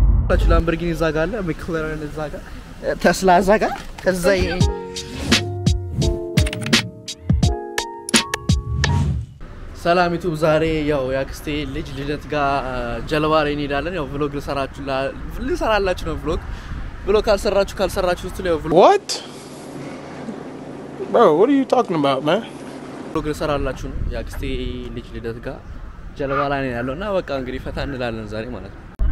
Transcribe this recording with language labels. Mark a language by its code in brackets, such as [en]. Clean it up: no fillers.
[am] ታች ላምበርጊኒ ዛጋ አለ ሚክለረን ዛጋ ተስላ ዛጋ ከዛ ሰላም ዩቲዩብ ዛሬ ያው ያክስቴ ልጅ ልደት ጋር ጀልባ ላይ እንሄዳለን ያው ቪሎግ ልሰራችሁ ልሰራላችሁ ነው ቪሎግ ቪሎግ ካልሰራችሁ እስቲ ያው [en] ቪሎግ what bro what are you talking about man [am] ቪሎግ ልሰራላችሁ ነው ያክስቴ ልጅ ልደት ጋር ጀልባ ላይ ነው ያለውና በቃ እንግዲህ ፈታ እንላለን ዛሬ ማለት ነው